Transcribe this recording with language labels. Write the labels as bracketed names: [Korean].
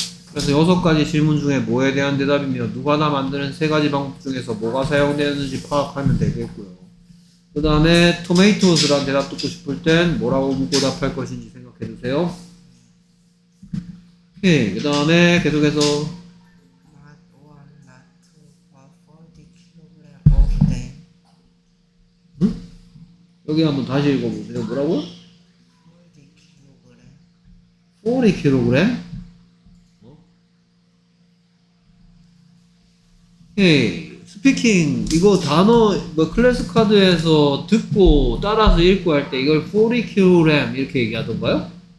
[Korean] 그래서 여섯 가지 질문 중에 뭐에 대한 대답이며 누가 나 만드는 세 가지 방법 중에서 뭐가 사용되는지 파악하면 되겠고요. 그 다음에 토마토스라는 대답 듣고 싶을 땐 뭐라고 묻고 답할 것인지 생각해 주세요. 네, 그 다음에 계속해서 [English] Not one, not two, but 40 kilograms of them. [Korean] 응? 여기 한번 다시 읽어보세요. 뭐라고? [English] 40 kilograms? [Korean] 헤이, 스피킹, 이거 단어, 뭐, 클래스 카드에서 듣고 따라서 읽고 할 때 이걸 40kg 이렇게 얘기하던가요?